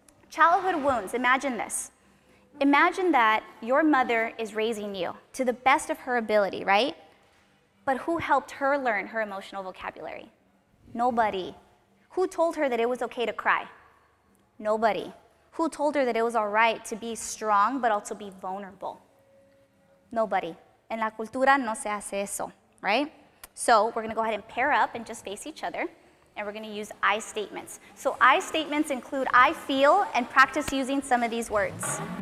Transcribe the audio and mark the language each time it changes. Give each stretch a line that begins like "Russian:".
English: Childhood wounds, imagine this. Imagine that your mother is raising you to the best of her ability, right? But who helped her learn her emotional vocabulary? Nobody. Who told her that it was okay to cry? Nobody. Who told her that it was all right to be strong but also be vulnerable? Nobody.
Spanish: En la cultura no se hace eso, right?
English: So we're gonna go ahead and pair up and just face each other, and we're gonna use I statements. So I statements include I feel, and practice using some of these words.